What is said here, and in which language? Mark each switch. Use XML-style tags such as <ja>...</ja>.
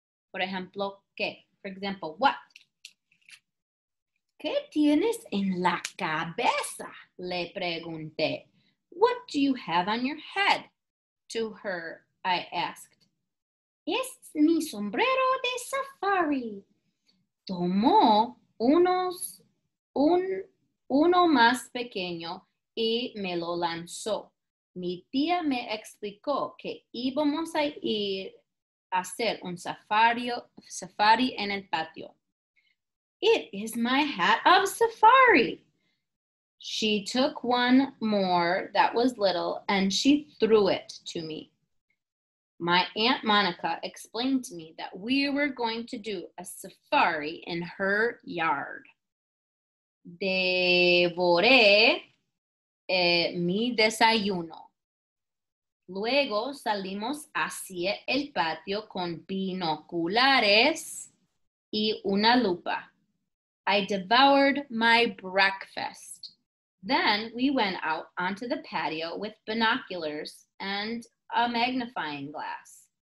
<es>Por ejemplo, ¿qué?</es> <en>For example, what?</en> <es>¿Qué tienes en la cabeza? Le pregunté.</es> <en>What do you have on your head? To her, I asked.</en> <es>es mi sombrero de safari. Tomó uno más pequeño y me lo lanzó. Mi tía me explicó que íbamos a ir a hacer un safari en el patio.</es> <en>It is my hat of safari. She took one more that was little and she threw it to me. My Aunt Monica explained to me that we were going to do a safari in her yard.</en> <es>Devoré mi desayuno. Luego salimos hacia el patio con binoculares y una lupa.</es> <en>I devoured my breakfast. Then we went out onto the patio with binoculars and a magnifying glass.</en>